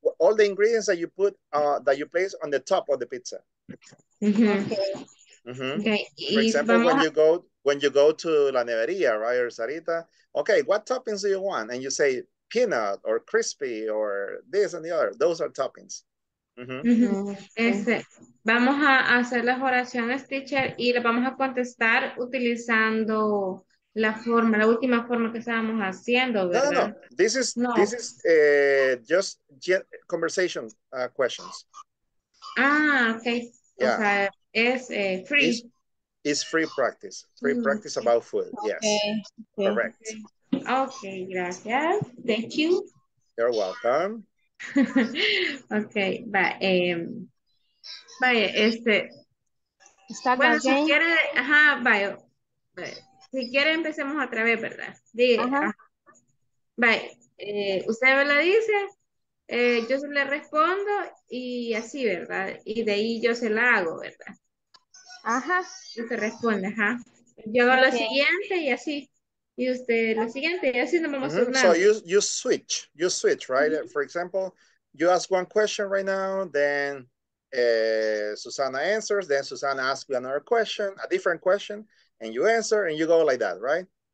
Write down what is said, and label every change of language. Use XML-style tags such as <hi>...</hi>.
<en>All the ingredients that you put, that you place on the top of the pizza. Mm-hmm. Okay. For example, when you go to La Neveria, right, or Sarita, okay, what toppings do you want? And you say peanut or crispy or this and the other. Those are toppings.</en> <es>Vamos a hacer las oraciones, teacher, y las vamos a contestar utilizando la forma, la última forma que estábamos haciendo, ¿verdad?</es> <en>No. This is just conversation questions. Ah, okay. Yeah.</en> <es>O sea, es</es> <en>free. It's free practice. Free practice about food, okay. Yes. Okay. Correct. Okay,</en> <es>gracias.</es> <en>Thank you. You're welcome.</en> <es>Okay, vaya, está bueno, si quiere, ajá, vaya. Si quiere, empecemos otra vez, ¿verdad? Diga. Ajá. Bye. Usted me la dice, yo se le respondo y así, ¿verdad? Y de ahí yo se la hago, ¿verdad? Ajá. Usted responde, ajá. Yo hago</es> <en>okay.</en> <es>Lo siguiente y así. Y usted lo siguiente y así nos vamos a turnar.</es> <en>So you switch, right? Mm-hmm. For example, you ask one question right now, then Susana answers, then Susana asks you another question, a different question. And you answer and you go like that, right?</en>